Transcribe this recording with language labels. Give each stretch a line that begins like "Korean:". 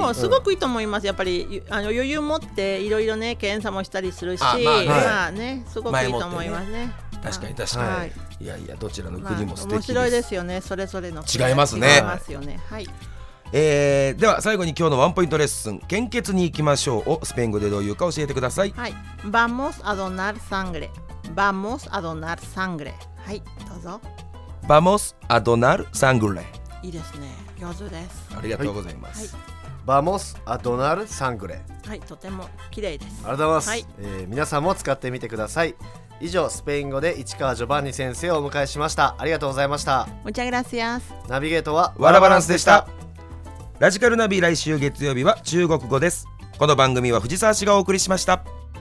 Japanese: でもすごくいいと思います。やっぱり余裕持っていろいろね検査もしたりするし。あ、まあね、まあね、すごくいいと思いますね。確かに確かに、はい、いやいや、どちらの国も素敵です。まあ、面白いですよね、それぞれの。違いますね。違いますよね。はい、はい、では最後に今日のワンポイントレッスン、献血に行きましょうをスペイン語でどういうか教えてください。はい、
Spanish: Vamos a donar sangre. Vamos a donar sangre.
Japanese: はい、どうぞ。
Spanish: Vamos a donar sangre.
Japanese: いいですね、上手です。ありがとうございます。はい、
Spanish: Vamos a donar sangre.
Japanese: はい、とても綺麗です。ありがとうございます。はい、皆さんも使ってみてください。以上、スペイン語で市川ジョバンニ先生をお迎えしました。ありがとうございました。
Spanish: Muchas gracias.
Japanese: ナビゲートはワラバランスでした。ラジカルナビ、来週月曜日は中国語です。この番組は藤沢氏がお送りしました。